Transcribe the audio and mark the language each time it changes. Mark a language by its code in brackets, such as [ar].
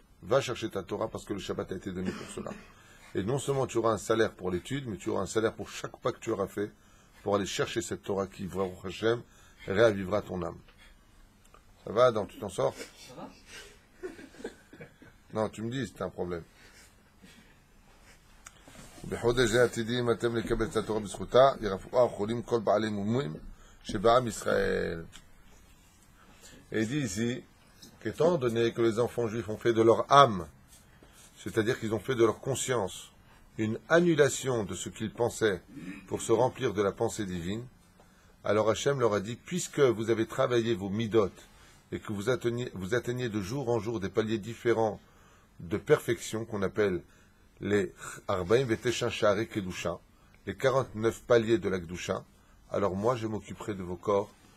[fr] Va chercher ta Torah parce que le Shabbat a été donné pour cela. Et non seulement tu auras un salaire pour l'étude, mais tu auras un salaire pour chaque pas que tu auras fait pour aller chercher cette Torah qui, Baruch Hashem, réavivera ton âme. Ça va, Adam, tu t'en sors? Ça va? Non, tu me dis, c'est un problème. [he] בחודש זה עתידים אתם לקבל את התורה בזכותה, ירפואה חולים כל בעלי מומים שבעם ישראל. [fr] Et dit ici qu'étant donné que les enfants juifs ont fait de leur âme, c'est-à-dire qu'ils ont fait de leur conscience, une annulation de ce qu'ils pensaient pour se remplir de la pensée divine, alors Hachem leur a dit, puisque vous avez travaillé vos midot et que vous atteignez de jour en jour des paliers différents de perfection qu'on appelle les 49 paliers de la Kedusha, alors moi je m'occuperai de vos corps.